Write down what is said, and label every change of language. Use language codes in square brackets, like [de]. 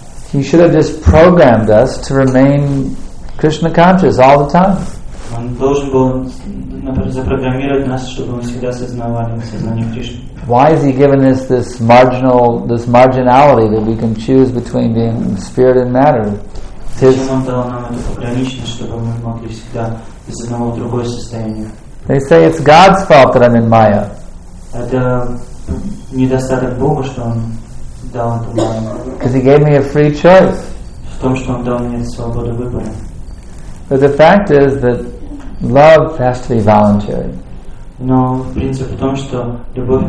[en] He should have just programmed us to remain Krishna conscious all the time. [ru] Он должен был запрограммировать нас, чтобы мы всегда сознавали сознание Кришны. [en] Why is he giving us this marginality that we can choose between being spirit and matter? [ru] Зачем он дал нам это пограничное, чтобы мы могли всегда из одного в другое состояние? [en] They say it's God's fault that I'm in Maya. [ru] Это недостаток Бога, что он дал эту Майю. [en] Because he gave me a free choice. [ru] В том, что он дал мне свободу выбора. [en] But the fact is that love has to be voluntary. [ru] Но принцип в том, что любовь